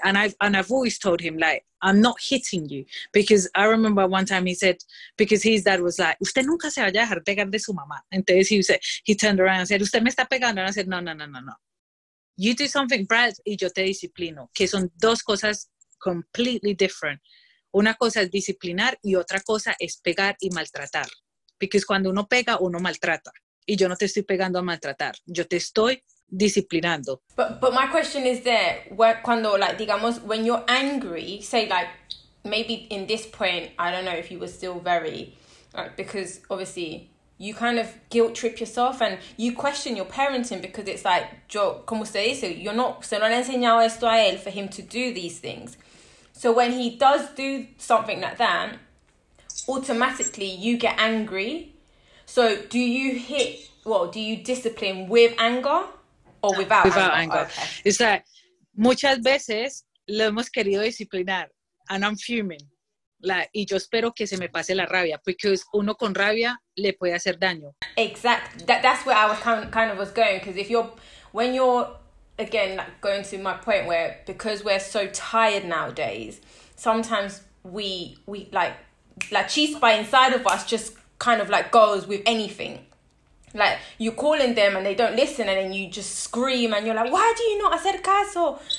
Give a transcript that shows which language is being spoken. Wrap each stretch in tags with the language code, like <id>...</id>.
<en>And I've always told him, like, I'm not hitting you. Because I remember one time he said, because his dad was like,</en> <es>usted nunca se vaya a dejar pegar de su mamá. Entonces</es> <en>he turned around and said,</en> <es>usted me está pegando.</es> <en>And I said, no. You do something bad</en> <es>y yo te disciplino. Que son dos cosas</es> <en>completely different.</en> <es>Una cosa es disciplinar y otra cosa es pegar y maltratar.</es> <en>Because</en> <es>cuando uno pega, uno maltrata. Y yo no te estoy pegando a maltratar. Yo te estoy disciplinando.</es> <en>But my question is there, where,</en> <es>cuando,</es> <en>like,</en> <es>digamos,</es> <en>when you're angry, say, like, maybe in this point, I don't know if you were still very, like, because obviously you kind of guilt trip yourself and you question your parenting because it's like,</en> <es>yo, como usted dice,</es> <en>you're not,</en> <es>se no le enseñado esto a él</es> <en>for him to do these things. So when he does do something like that, automatically you get angry. So do you hit, well, do you discipline with anger? Or without anger. Okay. It's like,</en> <es>muchas veces lo hemos querido disciplinar</es> <en>and I'm fuming. Like,</en> <es>y yo espero que se me pase la rabia</es> <en>because</en> <es>uno con rabia le puede hacer daño.</es> <en>Exactly. That's where I was kind of was going, because if you're, when you're, again, like, going to my point where, because we're so tired nowadays, sometimes we like,</en> <es>la chispa</es> <en>inside of us just kind of like goes with anything. Like, you're calling them and they don't listen and then you just scream and you're like, why do you not</en> <es>hacer caso?</es>